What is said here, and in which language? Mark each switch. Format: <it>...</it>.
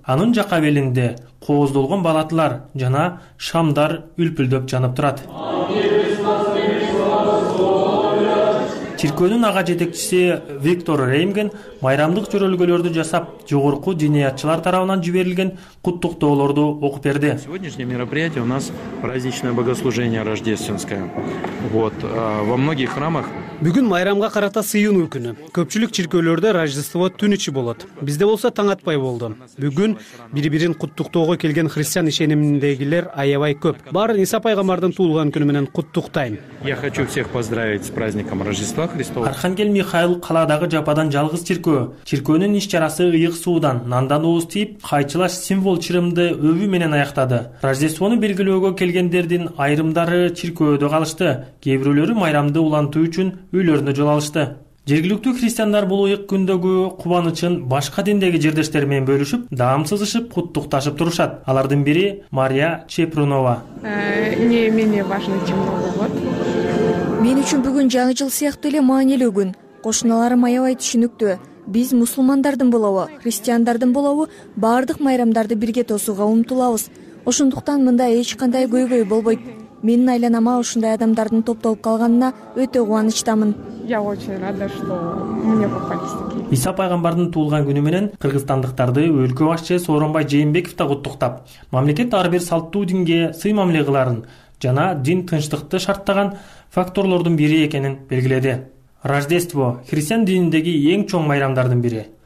<ky>Анын жака белинде кооздолгон балатылар жана шамдар үлпүлдөп жанып турат. Чиркөөнүн ага жетекчиси Виктор Реймген майрамдык жөрөлгөлөрдү жасап, жогорку динияатчылар тарабынан жиберилген куттуктоолорду окуп берди.</ky> <ru>Сегодняшнее мероприятие у нас праздничное богослужение рождественское. Вот, во многих храмах.</ru> <ky>Бүгүн майрамга карата сыйынуу күнү. Көпчүлүк чиркөөлөрдө Рождество түн ичи болот. Бизде болсо таң атпай болду. Бүгүн бири-бирин куттуктоого келген христиан ишениминдегилер аябай көп. Баарын Иса пайгамбардын туулган күнү менен куттуктайм.</ky> <ru>Я хочу всех поздравить с праздником Рождества Христова.</ru> <ky>Архангел Михаил калаадагы жападан жалгыз чиркөө. Чиркөөнүн иш чарасы ыйык суудан, нандан ооз тийип, кайчылаш символ чырымды өбү менен аяктады. Рождествону белгилөөгө келгендердин айрымдары чиркөөдө калышты. Кээ бирөөлөрү майрамды улантуу үчүн үйлөрүнө жол алышты. Жергиликтүү христиандар бул ыйык күндөгү кубанычын башка диндеги жердештер менен бөлүшүп, даамсызышып, куттукташып турушат. Алардын бири Мария Чепрунова. Мен үчүн бүгүн жаңы жыл сыяктуу эле маанилүү күн. Кошуналарым аябай түшүнүктүү. Биз мусулмандардын болобу, христиандардын болобу, баардык майрамдарды бирге тосууга умтулабыз. Ошондуктан мында эч кандай көйгөй болбойт. Менин айланама ушундай адамдардын топтолуп калганына өтө кубанычтамын.</ky> <ru>Я очень рада, что мне попались такие.</ru> <ky>Иса пайгамбардын туулган күнү менен кыргызстандыктарды өлкө башчы Сооронбай Жээнбеков да куттуктап, мамлекет ар бир салттуу динге сый мамиле кыларын жана дин тынчтыкты шарттаган факторлордун бири экенин белгиледи. Рождество христиан дининдеги эң чоң майрамдардын бири.</ky>